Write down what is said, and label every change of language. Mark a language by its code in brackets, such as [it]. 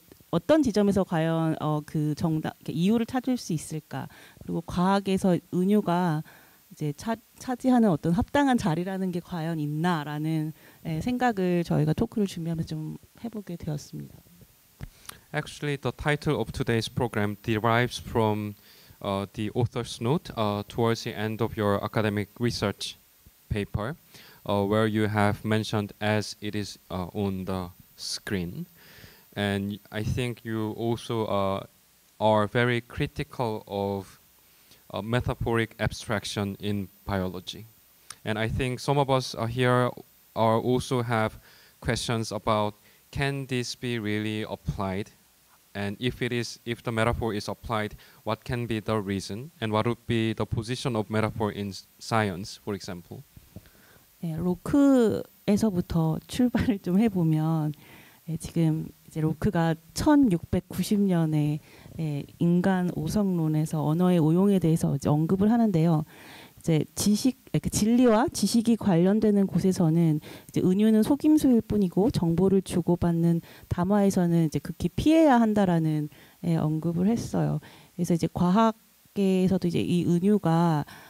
[ko] 어떤 지점에서 과연 그 정답 이유를 찾을 수 있을까 그리고 과학에서 은유가 이제 차지하는 어떤 합당한 자리라는 게 과연 있나라는 생각을 저희가 토크를 준비하면서 좀 해보게 되었습니다. [en] Actually, the title of today's program derives from the author's note towards the end of your academic research paper, where you have mentioned as it is on the screen, and I think you also are very critical of. A metaphoric abstraction in biology. And I think some of us here are also have questions about can this be really applied? And if the metaphor is applied, what can be the reason? And what would be the position of metaphor in science, for example? [ko] 네, 로크에서부터 출발을 좀 해보면 지금 이제 로크가 1690년에 인간 오성론에서 언어의 오용에 대해서 이제 언급을 하는데요. 이제 진리와 지식이 관련되는 곳에서는 이제 은유는 속임수일 뿐이고 정보를 주고받는 담화에서는 이제 극히 피해야 한다라는 언급을 했어요. 그래서 이제 과학계에서도 이제 이 은유가